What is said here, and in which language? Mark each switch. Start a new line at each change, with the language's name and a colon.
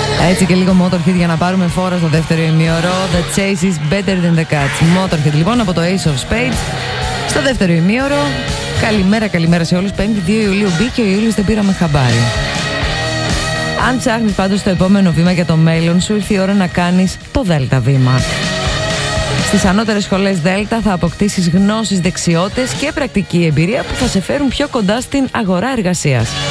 Greek: Έτσι και λίγο Motorhead για να πάρουμε φόρα στο δεύτερο ημίωρο.
English: The chase is better than the catch.
Greek: Motorhead λοιπόν από το Ace of Spades στο δεύτερο ημίωρο. Καλημέρα, καλημέρα σε όλους. 5η 2 Ιουλίου μπήκε ο Ιούλιος, δεν πήραμε χαμπάρι. Αν ψάχνεις πάντως το επόμενο βήμα για το μέλλον σου, ήρθε η ώρα να κάνεις το Δέλτα βήμα. Στις ανώτερες σχολές Δέλτα θα αποκτήσεις γνώσεις, δεξιότητες και πρακτική εμπειρία που θα σε φέρουν πιο κοντά στην αγορά εργασίας.